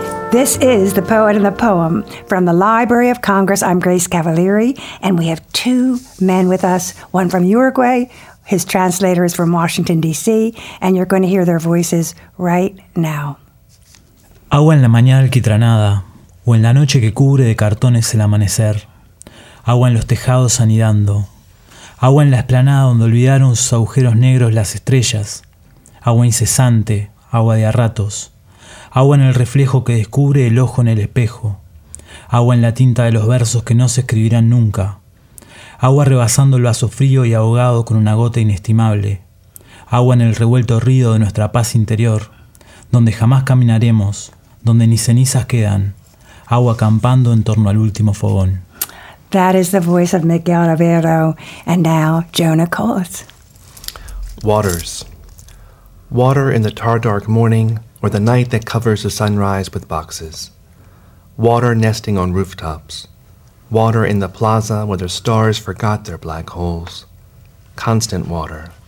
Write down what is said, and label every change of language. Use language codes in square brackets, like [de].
[en] This is The Poet and the Poem from the Library of Congress. I'm Grace Cavalieri, and we have two men with us, one from Uruguay, his translator is from Washington, D.C., and you're going to hear their voices right now. [es] Agua en la mañana alquitranada, o en la noche que cubre de cartones el amanecer. Agua en los tejados anidando. Agua en la explanada donde olvidaron sus agujeros negros las estrellas. Agua incesante, agua de a ratos. Agua en el reflejo que descubre el ojo en el espejo. Agua en la tinta de los versos que no se escribirán nunca. Agua rebasando el vaso frío y ahogado con una gota inestimable. Agua en el revuelto río de nuestra paz interior, donde jamás caminaremos, donde ni cenizas quedan. Agua acampando en torno al último fogón. [en] That is the voice of Miguel Avero, and now Jonah Coles. Waters. Water in the tar-dark morning, or the night that covers the sunrise with boxes. Water nesting on rooftops. Water in the plaza where the stars forgot their black holes. Constant water.